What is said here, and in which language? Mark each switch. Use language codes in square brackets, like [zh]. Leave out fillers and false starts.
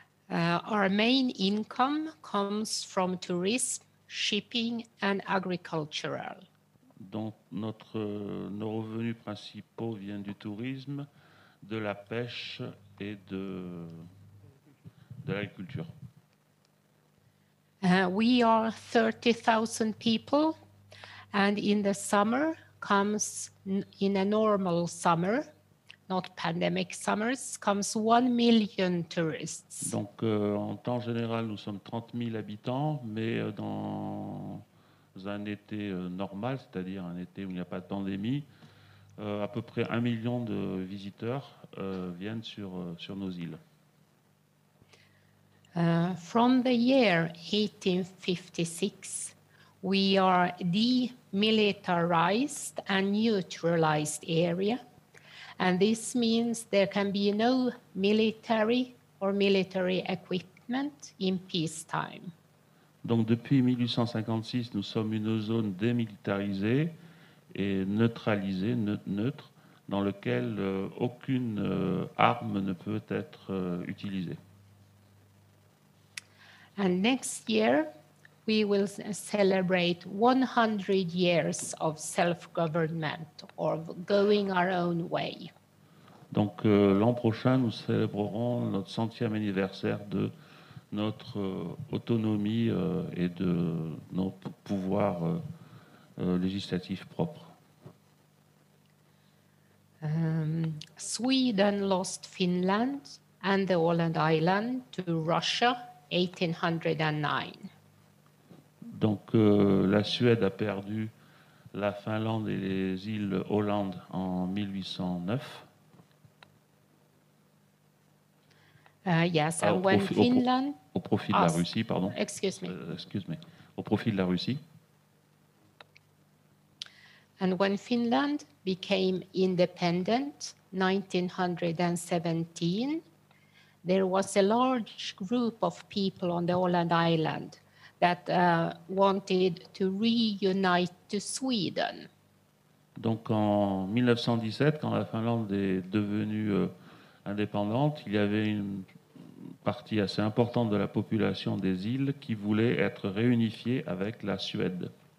[en] Our main income comes from tourism, shipping and agricultural. [fr] Donc nos revenus principaux viennent du tourisme, de la pêche et de l'agriculture. [en] We are 30,000 people, and in the summer comes, in a normal summer, not pandemic summers, comes 1 million tourists. [fr] Donc en temps général, nous sommes 30 000 habitants, mais dans un été normal, c'est-à-dire un été où il n'y a pas de pandémie, à peu près 1 million de visiteurs viennent sur nos îles. [en] From the year 1856, we are demilitarized and neutralized area. And this means there can be no military or military equipment in peacetime. [fr] Donc depuis 1856, nous sommes une zone démilitarisée et neutralisée, neutre, dans laquelle aucune arme ne peut être utilisée. [en] And next year, we will celebrate 100 years of self-government or going our own way. [fr] Donc l'an prochain, nous célébrerons notre centième anniversaire de notre autonomie et de nos pouvoirs législatifs propres. [en] Sweden lost Finland and the Åland Island to Russia 1809. [fr] Donc la Suède a perdu la Finlande et les îles Åland en 1809. [en] Yes, and when Finland [fr] au profit de la Russie, pardon. [en] Excuse me. [fr] Au profit de la Russie. [en] And when Finland became independent 1917, there was a large group of people on the Åland Island that wanted to reunite to Sweden. [fr] Donc en 1917, quand la Finlande est devenue indépendante, il y avait une partie assez importante de la population des îles qui voulait être réunifiée avec la Suède.